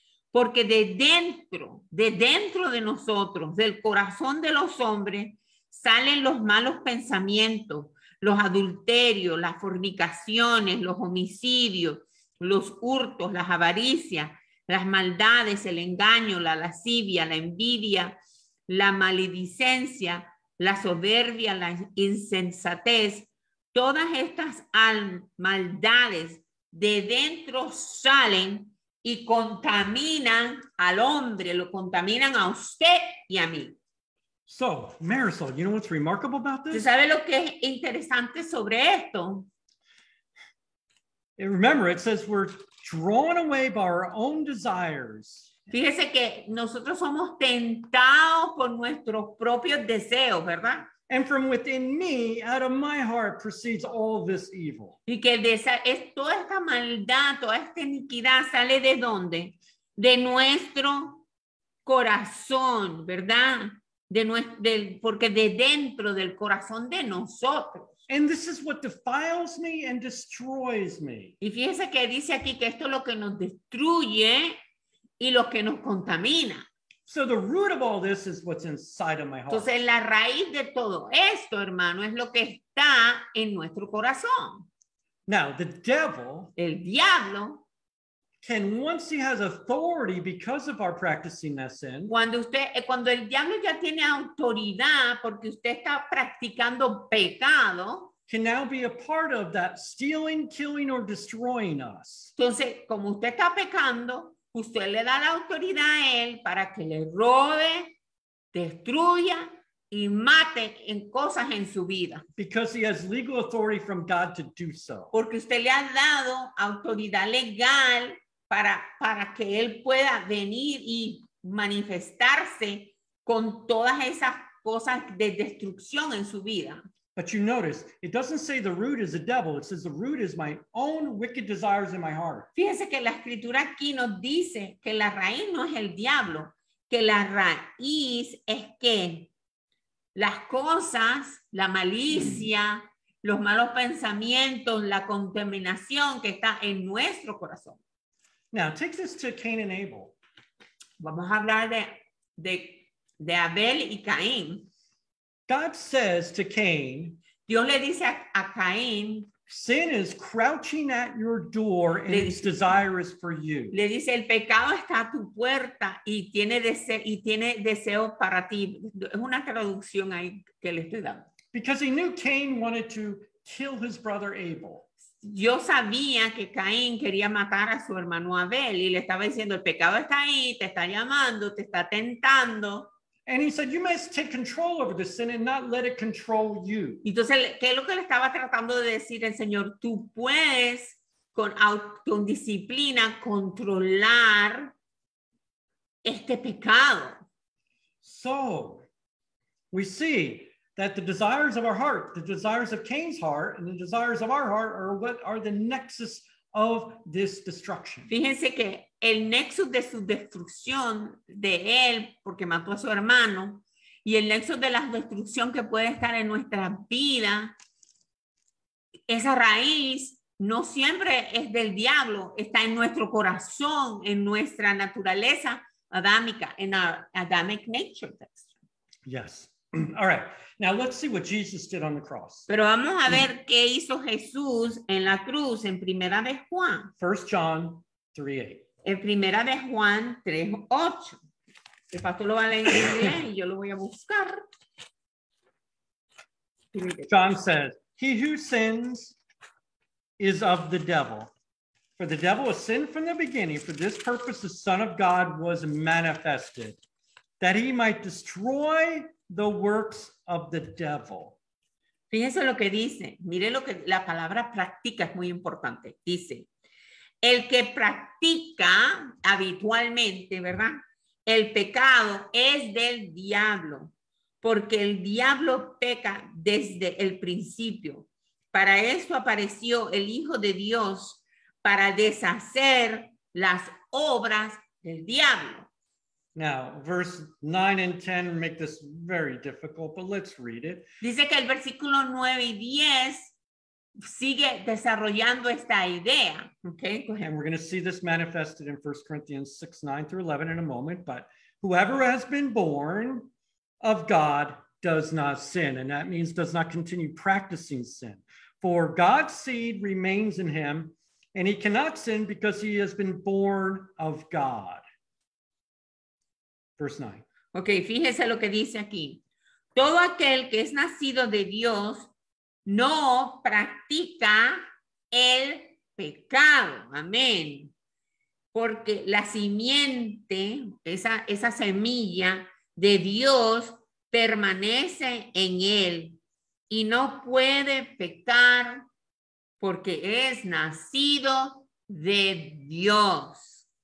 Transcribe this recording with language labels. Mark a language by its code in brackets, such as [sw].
[es] Porque de dentro de nosotros, del corazón de los hombres, salen los malos pensamientos, los adulterios, las fornicaciones, los homicidios, los hurtos, las avaricias, las maldades, el engaño, la lascivia, la envidia, la maledicencia, la soberbia, la insensatez. Todas estas maldades de dentro salen y contaminan al hombre, lo contaminan a usted y a mí. [en] So, Marisol, you know what's remarkable about this? [es] ¿Tú sabes lo que es interesante sobre esto? [en] Remember, it says we're drawn away by our own desires. [es] Fíjese que nosotros somos tentados por nuestros propios deseos, ¿verdad? [en] And from within me, out of my heart, proceeds all this evil. [es] Y que toda esta maldad, toda esta iniquidad sale de dónde? De nuestro corazón, ¿verdad? Porque de dentro del corazón de nosotros. [en] And this is what defiles me and destroys me. [es] Y fíjese que dice aquí que esto es lo que nos destruye y lo que nos contamina. [en] So the root of all this is what's inside of my heart. [es] Entonces la raíz de todo esto, hermano, es lo que está en nuestro corazón. [en] Now the devil, [es] el diablo, [en] can once he has authority because of our practicing that sin. [es] Cuando el diablo ya tiene autoridad porque usted está practicando pecado. [en] can now be a part of that stealing, killing, or destroying us. [es] Entonces, como usted está pecando, usted le da la autoridad a él para que le robe, destruya y mate en cosas en su vida. [en] Because he has legal authority from God to do so. [es] Porque usted le ha dado autoridad legal para que él pueda venir y manifestarse con todas esas cosas de destrucción en su vida. [en] But you notice, it doesn't say the root is the devil. It says the root is my own wicked desires in my heart. [es] Fíjense que la escritura aquí nos dice que la raíz no es el diablo, que la raíz es que las cosas, la malicia, los malos pensamientos, la contaminación que está en nuestro corazón. [en] Now, take this to Cain and Abel. [es] Vamos a hablar de Abel y Caín. [en] God says to Cain, [es] Dios le dice a Caín, [en] sin is crouching at your door and it's desirous for you. [es] Le dice, el pecado está a tu puerta y tiene deseo para ti. Es una traducción ahí que le estoy dando. [en] Because he knew Cain wanted to kill his brother Abel. [es] Yo sabía que Caín quería matar a su hermano Abel y le estaba diciendo, el pecado está ahí, te está llamando, te está tentando. [en] And he said, you must take control over the sin and not let it control you. [es] Entonces, ¿qué es lo que le estaba tratando de decir el Señor? Tú puedes con disciplina controlar este pecado. [en] So, we see that the desires of our heart, the desires of Cain's heart, and the desires of our heart are what are the nexus of this destruction. [es] Fíjense que el nexo de su destrucción de él, porque mató a su hermano, y el nexo de la destrucción que puede estar en nuestra vida, esa raíz no siempre es del diablo, está en nuestro corazón, en nuestra naturaleza adámica, en [en] our Adamic nature. Yes. All right. Now let's see what Jesus did on the cross. [es] Pero vamos a ver qué hizo Jesús en la cruz en Primera de Juan. [en] 1 John 3:8. [es] En Primera de Juan 3:8. El pastor lo va a leer y yo lo voy a buscar. [en] John says, "He who sins is of the devil. For the devil has sinned from the beginning. For this purpose the Son of God was manifested, that he might destroy the works of the devil." [es] Fíjense lo que dice. Mire lo que la palabra practica es muy importante. Dice, el que practica habitualmente, ¿verdad? El pecado es del diablo, porque el diablo peca desde el principio. Para eso apareció el Hijo de Dios, para deshacer las obras del diablo. [en] Now, verse 9 and 10 make this very difficult, but let's read it. [es] Dice que el versículo 9 y 10 sigue desarrollando esta idea. [en] Okay, go ahead. And we're going to see this manifested in 1 Corinthians 6, 9 through 11 in a moment. But whoever has been born of God does not sin. And that means does not continue practicing sin. For God's seed remains in him, and he cannot sin because he has been born of God. Verse 9. [es] Okay, fíjese lo que dice aquí. Todo aquel que es nacido de Dios no practica el pecado. Amén. Porque la simiente, esa semilla de Dios permanece en él y no puede pecar porque es nacido de Dios.